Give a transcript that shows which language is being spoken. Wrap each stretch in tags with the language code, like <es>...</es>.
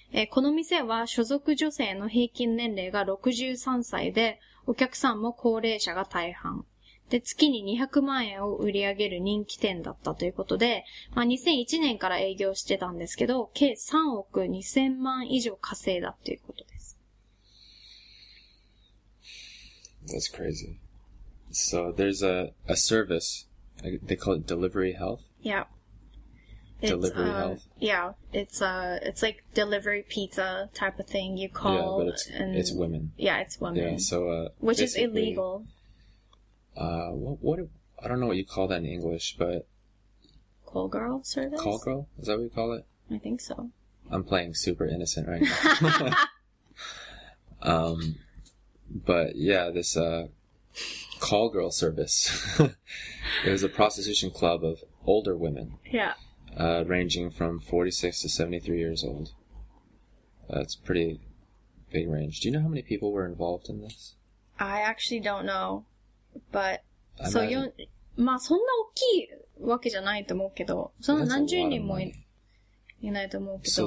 <ja>この店は所属女性の平均年齢が63歳で、お客さんも高齢者が大半。で、月に200万円を売り上げる人気店だったということで、まあ、2001年から営業してたんですけど、計3億2000万以上稼いだということです。</ja> <en>That's crazy. So there's a service, they call it Delivery Health? Yeah. Delivery health. Yeah, it's like delivery pizza type of thing. You call yeah, but it's, and it's women. Yeah, it's women. Yeah, so, which is illegal. What, I don't know what you call that in English, but. Call girl service? Call girl? Is that what you call it? I think so. I'm playing super innocent right now. but yeah, this, call girl service. It was a prostitution club of older women. Yeah. Ranging from 46 to 73 years old. That's pretty big range. Do you know how many people were involved in this? I actually don't know. But, so, you,</en> <ja>まあ、そんな大きいわけじゃないと思うけど、そんな何十人もいないと思うけど。</ja>